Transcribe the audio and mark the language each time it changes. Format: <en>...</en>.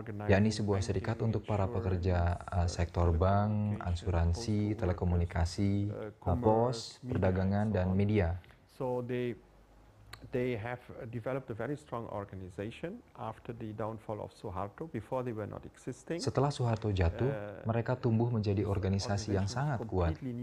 <id>Yakni sebuah serikat untuk para pekerja sektor bank, asuransi, telekomunikasi, pos, perdagangan, dan media.</id> <en>So they have developed a very strong organization after the downfall of Suharto. Before they were not existing.</en> <id>Setelah Suharto jatuh, mereka tumbuh menjadi organisasi yang sangat kuat.</id>